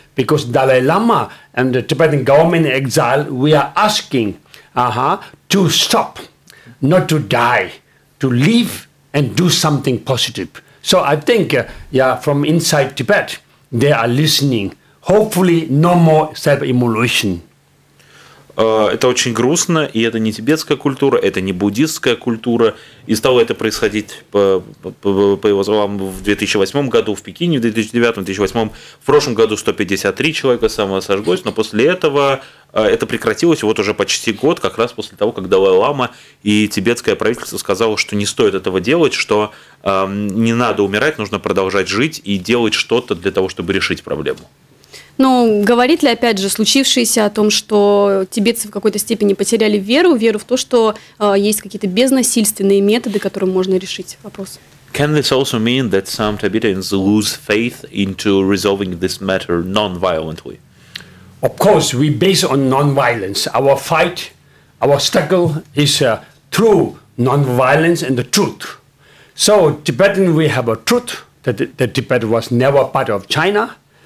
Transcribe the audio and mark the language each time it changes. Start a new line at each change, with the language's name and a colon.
English: because Dalai Lama and the Tibetan government in exile, we are asking to stop, not to die, to live and do something positive. So I think from inside Tibet, they are listening. Hopefully, no more self-immolation.
Russian: Это очень грустно, и это не тибетская культура, это не буддистская культура. И стало это происходить, по его словам, в 2008 году в Пекине, в 2009-2008. В прошлом году 153 человека самосожглось, но после этого это прекратилось вот уже почти год, как раз после того, как Далай-лама и тибетское правительство сказало, что не стоит этого делать, что не надо умирать, нужно продолжать жить и делать что-то для того, чтобы решить проблему. Ну, говорит ли, опять же, случившееся о том, что тибетцы в какой-то степени потеряли веру, веру в то, что есть какие-то безнасильственные методы, которым можно решить вопрос?
English: Can this also mean that some Tibetans lose faith into resolving this matter non-violently? Of course, we base on non-violence. Our fight, our struggle is through non-violence and the truth. So, Tibetan, we have a truth that that Tibet was never part of China.